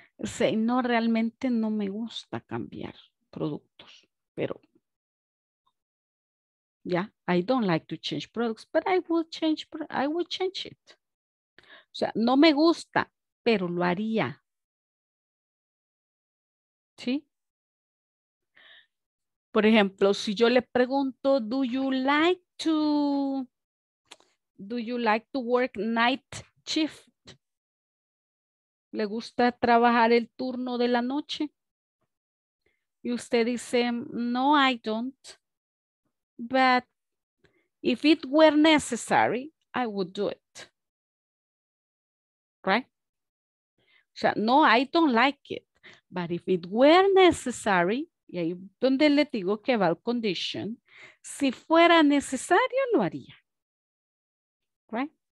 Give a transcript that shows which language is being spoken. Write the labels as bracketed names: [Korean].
[English] Say, [Spanish] no, realmente no me gusta cambiar productos, pero, [English] yeah, I don't like to change products, but I would change it. [Spanish] O sea, no me gusta, pero lo haría. ¿Sí? Por ejemplo, si yo le pregunto, [English] do you like to work night shift? [Spanish] ¿Le gusta trabajar el turno de la noche? Y usted dice, no, [English] I don't. But if it were necessary, I would do it. Right? [Spanish] O sea, [English] no, I don't like it. But if it were necessary, [Spanish] y ahí donde le digo que va el condition, si fuera necesario, lo haría. Right?